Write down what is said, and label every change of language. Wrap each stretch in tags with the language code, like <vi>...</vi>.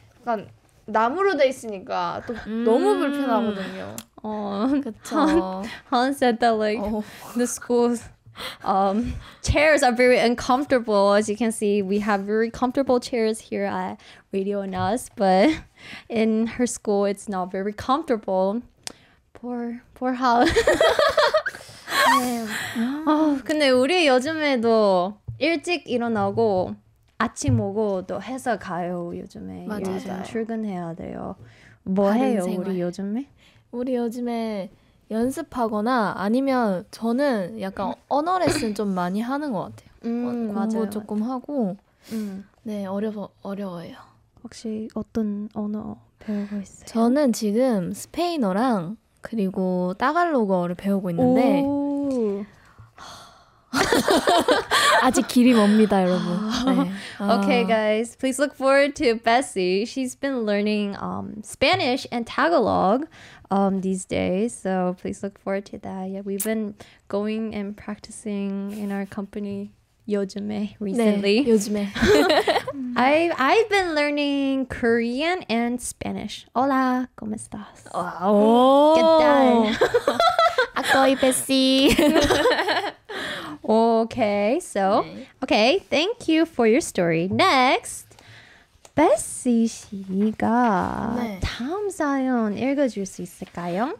<ko>약간 나무로 돼 있으니까 또 너무 불편하거든요. 그렇죠.</ko> <en>Han said that like the school's chairs are very uncomfortable. As you can see, we have very comfortable chairs here at Radio and Us, but in her school, it's not very comfortable. Poor Hal.</en> <ko>근데 우리 요즘에도 일찍 일어나고 아침 오고 또 회사 가요. 요즘에 맞아요. 요즘 출근해야 돼요. 뭐 해요 생활. 우리 요즘에? 우리 요즘에 연습하거나 아니면 저는 약간 언어 레슨 좀 많이 하는 것 같아요. 공부 맞아요, 조금 맞아요. 하고 네 어려워요. 혹시 어떤 언어 배우고 있어요? 저는 지금 스페인어랑 그리고 따갈로그어를 배우고 있는데 오~ 아직 길이 멉니다, 여러분. 네.</ko> <en>Okay, guys, please look forward to Bessie. She's been learning Spanish and Tagalog these days, so please look forward to that. Yeah, we've been going and practicing in our company</en> <ko>요즘에</ko> <en>recently.</en> <ko>네, 요즘에.</ko> <en>I've been learning Korean and Spanish.</en> <es>Hola, ¿cómo estás? ¿Qué tal? Estoy Bessie.</es> <en>Okay, so, okay, thank you for your story. Next,</en> <ko>Bessie 씨가 네. 다음 사연 읽어줄 수 있을까요?</ko>